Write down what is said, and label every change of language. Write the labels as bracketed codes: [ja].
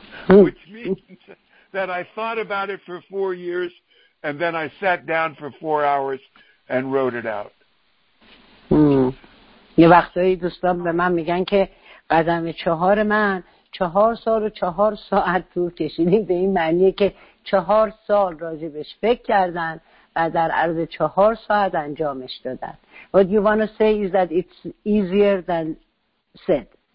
[en] Which means that I thought about it for 4 years and then I sat down for 4 hours and wrote it out. [fa] یه وقتایی دوستان به من میگن که قدم چهار من 4 سال و 4 ساعت طول کشیدیم، به این معنیه که 4 سال راجبش فکر کردن و در عرض 4 ساعت انجامش دادن. [en] What you want to say is that it's easier than said.